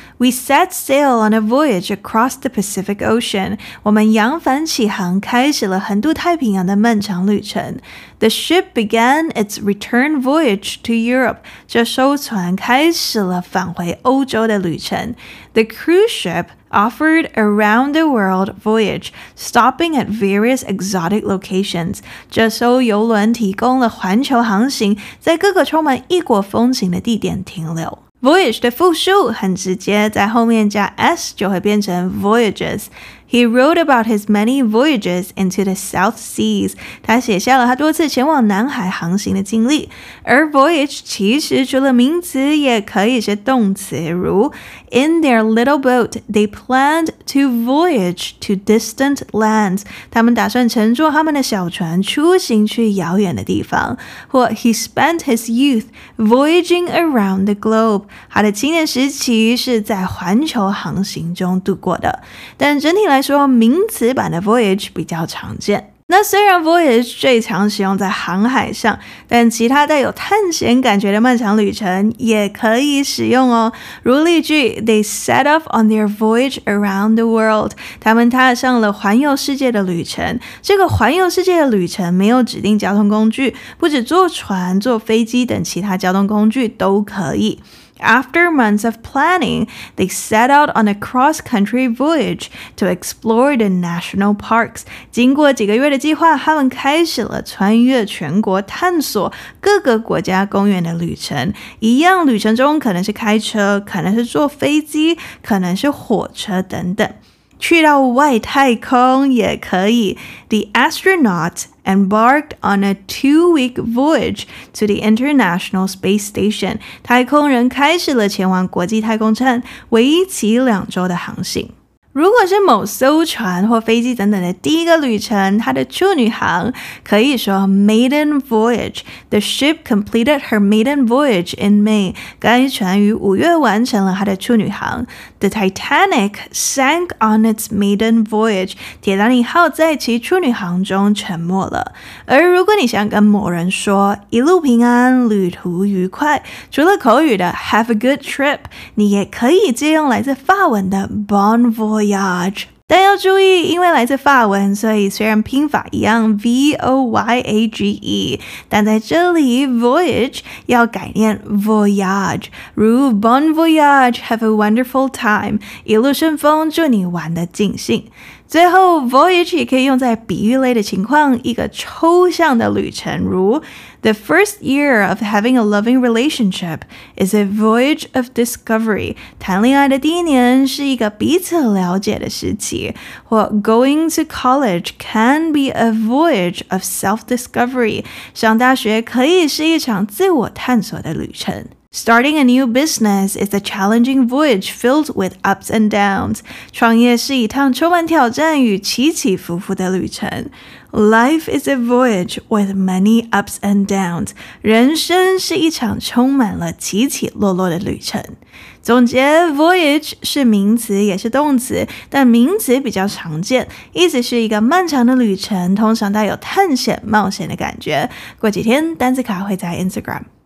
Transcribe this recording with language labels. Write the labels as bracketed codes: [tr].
[en] We set sail on a voyage across the Pacific Ocean. [zh] 我们扬帆起航，开始了横渡太平洋的漫长旅程。 [en] The ship began its return voyage to Europe. [zh] 这艘船开始了返回欧洲的旅程。 [en] The cruise ship offered a round-the-world voyage, stopping at various exotic locations. [zh] 这艘游轮提供了环球航行，在各个充满异国风情的地点停留。 Voyage 的复数很直接，在后面加 s 就会变成 voyages。 [en] He wrote about his many voyages into the South Seas. [zh] 他写下了他多次前往南海航行的经历。而 voyage 其实除了名词也可以是动词，如 [en] In their little boat, they planned to voyage to distant lands. [zh] 他们打算乘坐他们的小船出行去遥远的地方。或 [en] He spent his youth voyaging around the globe. [zh] 他的青年时期是在环球航行中度过的。但整体来说，名词版的 voyage 比较常见。那虽然 voyage 最常使用在航海上，但其他带有探险感觉的漫长旅程也可以使用哦。如例句 [en] ，They set off on their voyage around the world. [zh] 他们踏上了环游世界的旅程。这个环游世界的旅程没有指定交通工具，不止坐船、坐飞机等其他交通工具都可以。 [en] After months of planning, they set out on a cross-country voyage to explore the national parks. [zh] 经过几个月的计划，他们开始了穿越全国探索各个国家公园的旅程。一样，旅程中可能是开车，可能是坐飞机，可能是火车等等。去到外太空也可以。 [en] The astronauts embarked on a two-week voyage to the International Space Station. [zh] 太空人开始了前往国际太空站为期两周的航行。如果是某艘船或飞机等等的第一个旅程，它的处女航可以说 maiden voyage. [en] The ship completed her maiden voyage in May. [zh] 该船于五月完成了它的处女航。 [en] The Titanic sank on its maiden voyage. [zh] 铁达尼号在其处女航中沉没了。而如果你想跟某人说一路平安，旅途愉快，除了口语的 [en] have a good trip, [zh] 你也可以借用来自法文的 bon voyage。Voyage. 但要注意，因为来自法文，所以虽然拼法一样 V-O-Y-A-G-E， 但在这里 voyage 要改念 voyage， 如 bon voyage, [en] have a wonderful time， [zh] 一路顺风，祝你玩得尽兴。最后 voyage 也可以用在比喻类的情况，一个抽象的旅程，如 [en] The first year of having a loving relationship is a voyage of discovery. [zh] 谈恋爱的第一年是一个彼此了解的时期。或 [en] Going to college can be a voyage of self-discovery. [zh] 上大学可以是一场自我探索的旅程。 [en] Starting a new business is a challenging voyage filled with ups and downs. [zh] 创业是一趟充满挑战与起起伏伏的旅程。 [en] Life is a voyage with many ups and downs. [zh] 人生是一场充满了起起落落的旅程。总结 ,voyage 是名词也是动词，但名词比较常见，意思是一个漫长的旅程，通常带有探险冒险的感觉。过几天单字卡会在 Instagram。